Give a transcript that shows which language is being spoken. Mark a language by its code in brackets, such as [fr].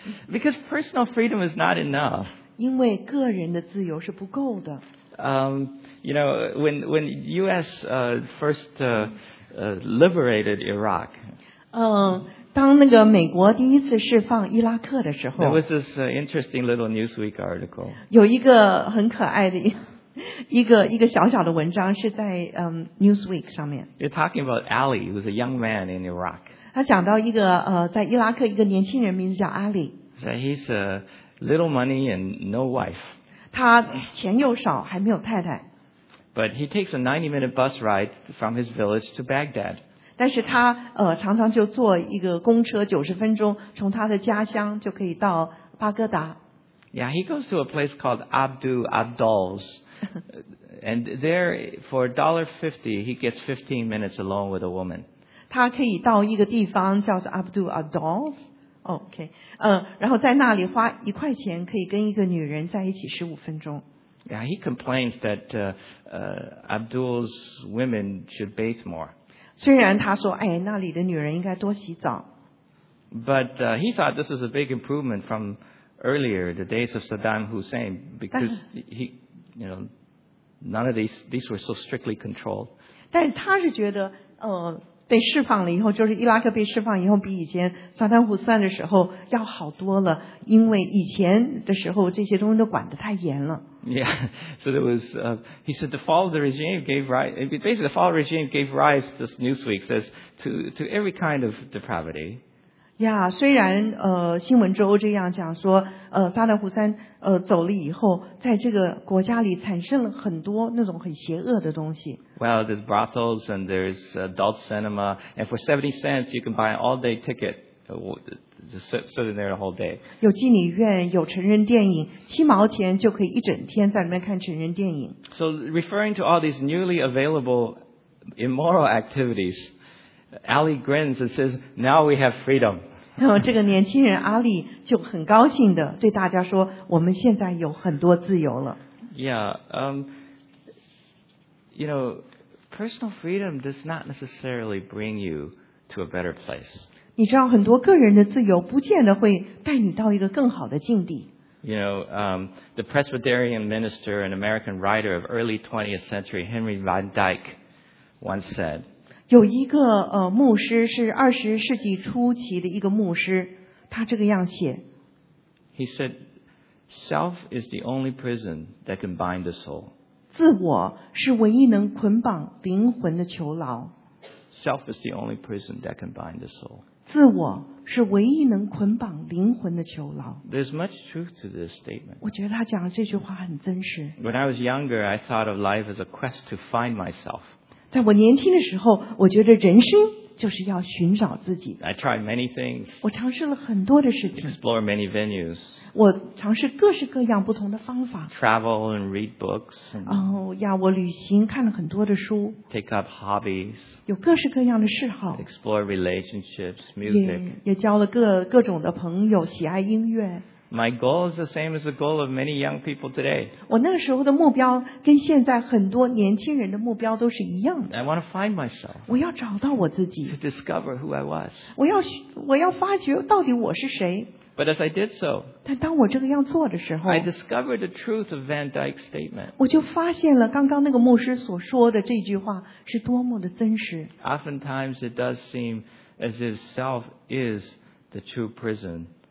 [en] Because personal freedom is not enough. [zh] 因为个人的自由是不够的。 [en] You know, when U.S. Liberated Iraq. [zh] 当那个美国第一次释放伊拉克的时候 [en] ，There was this interesting little Newsweek article. [zh] 有一个很可爱的一个小小的文章是在Newsweek 上面。 [en] You're talking about Ali, who's a young man in Iraq. [zh] 他讲到一个在伊拉克一个年轻人，名字叫 Ali. [en] So he's a little money and no wife. [zh] 他钱又少，还没有太太。 [en] But he takes a 90-minute bus ride from his village to Baghdad. [zh] 但是他常常就坐一个公车90分钟，从他的家乡就可以到巴格达。 [en] Yeah, he goes to a place called Abdu Abdal's, and there for $1.50 he gets 15 minutes alone with a woman. [zh] 他可以到一个地方叫做 Abdu Abdal's, okay, 然后在那里花一块钱可以跟一个女人在一起15分钟。 [en] Yeah, he complains that Abdul's women should bathe more. [zh] 虽然他说，哎，那里的女人应该多洗澡。 [en] But he thought this was a big improvement from earlier, the days of Saddam Hussein, because he, you know, none of these were so strictly controlled. [zh] 但是他是觉得，被释放了以后，就是伊拉克被释放以后，比以前萨达姆斯坦的时候要好多了，因为以前的时候这些东西都管得太严了。 [en] Yeah, so there was, he said the fall of the regime gave rise, basically the fall of the regime gave rise, this Newsweek says, to every kind of depravity. [zh] Yeah, 虽然新闻周这样讲说，萨达姆斯坦走了以后，在这个国家里产生了很多那种很邪恶的东西。 [en] Well, there's brothels and there's adult cinema, and for 70 cents you can buy an all-day ticket. Just sitting there the whole day. [zh] 有妓女院，有成人电影，七毛钱就可以一整天在里面看成人电影。 [en] So referring to all these newly available immoral activities, Ali grins and says, "Now we have freedom." [zh] 这个年轻人阿里就很高兴的对大家说，我们现在有很多自由了。 [en] Yeah, you know, personal freedom does not necessarily bring you to a better place. [zh] 你知道很多个人的自由不见得会带你到一个更好的境地。 [en] You know, the Presbyterian minister and American writer of early 20th century, Henry Van Dyke, once said, [zh] 有一个牧师是二十世纪初期的一个牧师，他这个样写。 [en] He said, self is the only prison that can bind the soul. [zh] 自我是唯一能捆绑灵魂的囚牢。 [en] Self is the only prison that can bind the soul. [zh] 自我是唯一能捆绑灵魂的囚牢。 [en] There's much truth to this statement. [zh] 我觉得他讲的这句话很真实。 [en] When I was younger, I thought of life as a quest to find myself. [zh] 在我年轻的时候，我觉得人生就是要寻找自己。 [en] I tried many things. [zh] 我尝试了很多的事情。 [en] Explore many venues. [zh] 我尝试各式各样不同的方法。 [en] Travel and read books. [zh] 我旅行，看了很多的书。 [en] Take up hobbies. [zh] 有各式各样的嗜好。 [en] Explore relationships, music. [zh] 也交了各种的朋友，喜爱音乐。 [en] My goal is the same as the goal of many young people today. [zh] 我那个时候的目标跟现在很多年轻人的目标都是一样的。 [en] I want to find myself. [zh] 我要找到我自己。 [en] To discover who I was. [zh] 我要发掘到底我是谁。 [en] But as I did so, [zh] 但当我这个样做的时候 [en] I discovered the truth of Van Dyke's statement. [zh] 我就发现了刚刚那个牧师所说的这句话是多么的真实。 [en] Oftentimes it does seem as if self is the true prison.